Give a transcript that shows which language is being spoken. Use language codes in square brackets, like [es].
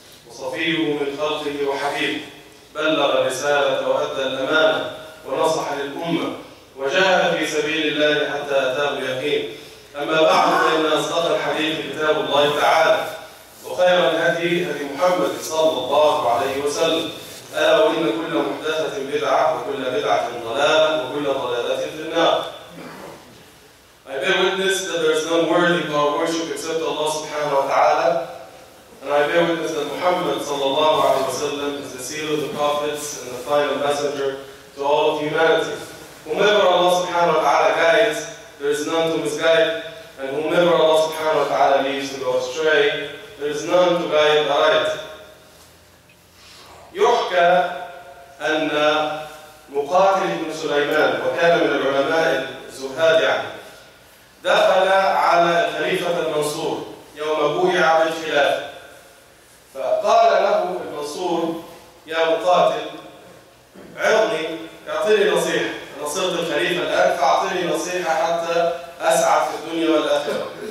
[ar] وصفيه من خلقه وحبيبه بلغ الرساله وادى الامانه ونصح للامه وجاهد في سبيل الله حتى اتاه اليقين. اما بعد فان اصدق الحديث كتاب الله تعالى وخير الهدي هدي محمد صلى الله عليه وسلم. الا وان كل محدثه بدعه وكل بدعه ضلاله وكل ضلاله في النار. [en] I bear witness that there is none worthy of our worship except Allah سبحانه وتعالى. And I bear witness that Muhammad صلى الله عليه وسلم is the seal of the prophets and the final messenger to all of humanity. Whomever Allah subhanahu wa ta'ala guides, there is none to misguide, and whomever Allah subhanahu wa ta'ala leaves to go astray, there is none to guide the right. [ar] يحكى أن مقاتل بن سليمان وكان من العلماء الزهاد دخل على خليفة المنصور يوم بويع بالخلاف فقال له المنصور يا مقاتل عظني اعطني نصيحة صرت الخليفة الآن فأعطني نصيحة حتى أسعد في الدنيا والآخرة.